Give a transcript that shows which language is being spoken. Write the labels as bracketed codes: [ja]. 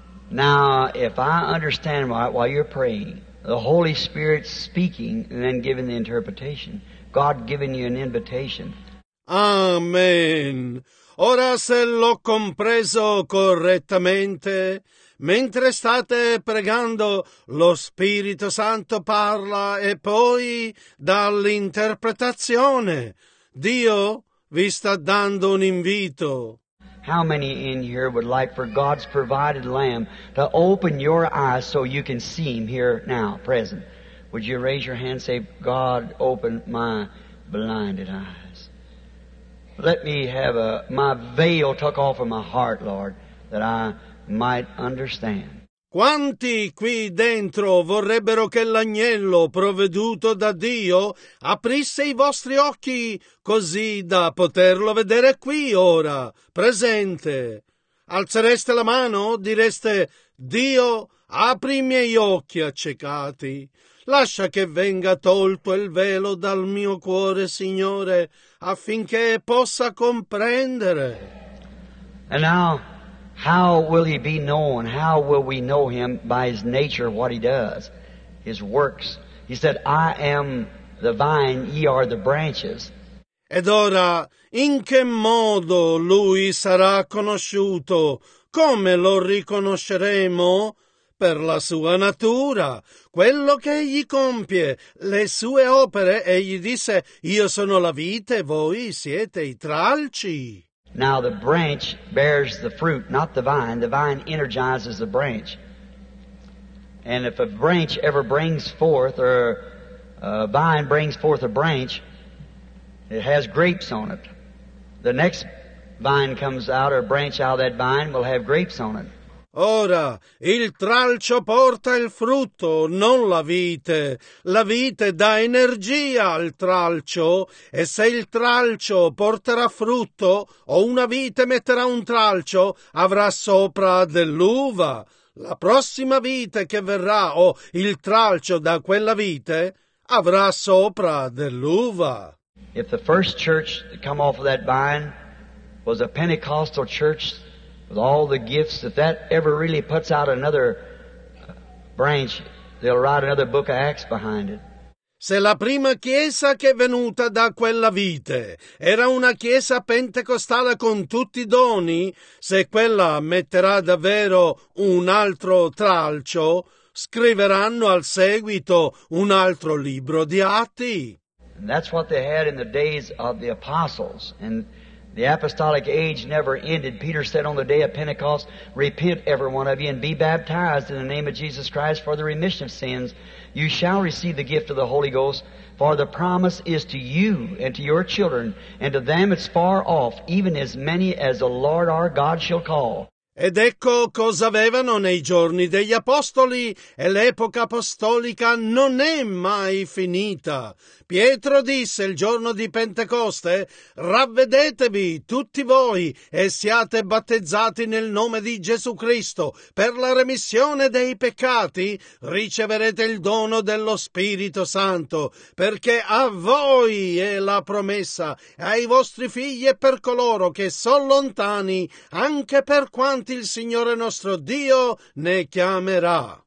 [en] If I understand right while you're praying, the Holy Spirit speaking and then giving the interpretation, God giving you an invitation. Amen. [it] Ora se l'ho compreso correttamente, mentre state pregando, lo Spirito Santo parla e poi dall'interpretazione. Dio vi sta dando un invito. [en] How many in here would like for God's provided Lamb to open your eyes so you can see Him here now, present? Would you raise your hand and say, God, open my blinded eyes. Let me have my veil took off of my heart, Lord, that I might understand. [it] Quanti qui dentro vorrebbero che l'agnello provveduto da Dio aprisse i vostri occhi così da poterlo vedere qui ora, presente? Alzereste la mano, direste, Dio, apri i miei occhi accecati. Lascia che venga tolto il velo dal mio cuore, Signore, affinché possa comprendere. [en] And now, how will he be known? How will we know him by his nature, what he does, his works? He said, I am the vine, ye are the branches. [it] Ed ora, in che modo lui sarà conosciuto? Come lo riconosceremo? Per la sua natura, quello che egli compie, le sue opere, egli disse, io sono la vite, voi siete i tralci. [en] Now the branch bears the fruit, not the vine. The vine energizes the branch. And if a branch ever brings forth, or a vine brings forth a branch, it has grapes on it. The next vine comes out, or branch out of that vine, will have grapes on it. [it] Ora, il tralcio porta il frutto, non la vite. La vite dà energia al tralcio, e se il tralcio porterà frutto, o una vite metterà un tralcio, avrà sopra dell'uva. La prossima vite che verrà, o il tralcio da quella vite, avrà sopra dell'uva. [en] If the first church to come off of that vine was a Pentecostal church, with all the gifts, if that ever really puts out another branch, they'll write another book of Acts behind it. [it] Se la prima chiesa che è venuta da quella vite era una chiesa pentecostale con tutti i doni, se quella metterà davvero un altro tralcio, scriveranno al seguito un altro libro di Atti. [en] And that's what they had in the days of the apostles. And the apostolic age never ended. Peter said on the day of Pentecost, repent every one of you and be baptized in the name of Jesus Christ for the remission of sins. You shall receive the gift of the Holy Ghost, for the promise is to you and to your children and to them that's far off, even as many as the Lord our God shall call. [it] Ed ecco cosa avevano nei giorni degli apostoli, e l'epoca apostolica non è mai finita. Pietro disse il giorno di Pentecoste, ravvedetevi tutti voi e siate battezzati nel nome di Gesù Cristo per la remissione dei peccati, riceverete il dono dello Spirito Santo, perché a voi è la promessa, ai vostri figli e per coloro che sono lontani, anche per quanti il Signore nostro Dio ne chiamerà.